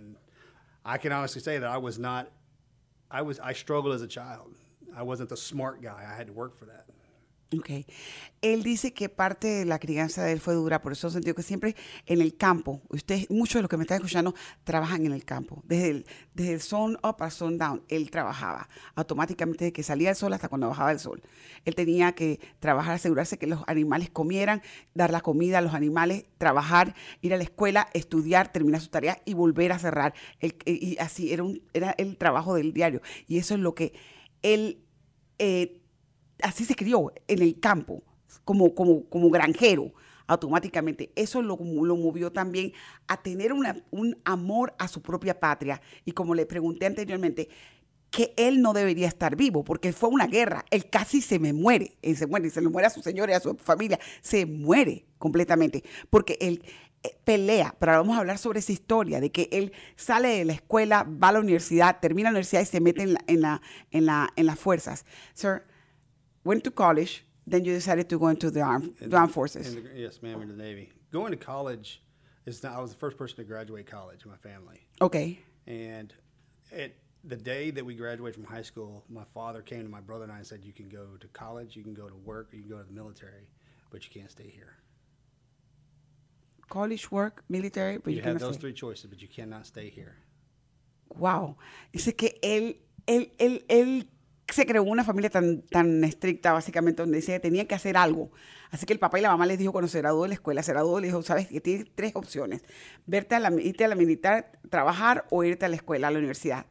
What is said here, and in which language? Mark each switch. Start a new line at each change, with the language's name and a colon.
English: And I can honestly say that I struggled as a child. I wasn't the smart guy. I had to work for that. Okay.
Spanish: Él dice que parte de la crianza de él fue dura, por eso sentido que siempre en el campo, ustedes, muchos de los que me están escuchando, trabajan en el campo. Desde el
English: sun up a sun down,
Spanish: él trabajaba. Automáticamente desde que salía el sol hasta cuando bajaba el sol. Él tenía que trabajar, asegurarse que los animales comieran, dar la comida a los animales, trabajar, ir a la escuela, estudiar, terminar su tarea y volver a cerrar. Y así era el trabajo del diario. Y eso es lo que él... Así se crió en el campo, como granjero, automáticamente. Eso lo movió también a tener un amor a su propia patria. Y como le pregunté anteriormente, que él no debería estar vivo, porque fue una guerra. Él casi se le muere a su señora y a su familia. Se muere completamente, porque él pelea. Pero vamos a hablar sobre esa historia, de que él sale de la escuela, va a la universidad, termina la universidad y se mete en las fuerzas.
English: Sir, went to college, then you decided to go into the armed forces. Yes, ma'am, into the Navy. Going to college, I was the first person to graduate college in my family. Okay. And the day that we graduated from high school, my father came to my brother and I and said, you can go to college, you can go to work, or you can go to the military, but you can't stay here. College, work, military, but you can't stay. Those three choices, but you cannot stay here. Wow.
Spanish: Dice que él se creó una familia tan, tan estricta, básicamente, donde decía que tenía que hacer algo. Así que el papá y la mamá les dijo, cuando se graduó de la escuela, sabes que tienes tres opciones. Irte a la militar, trabajar o irte a la escuela, a la universidad.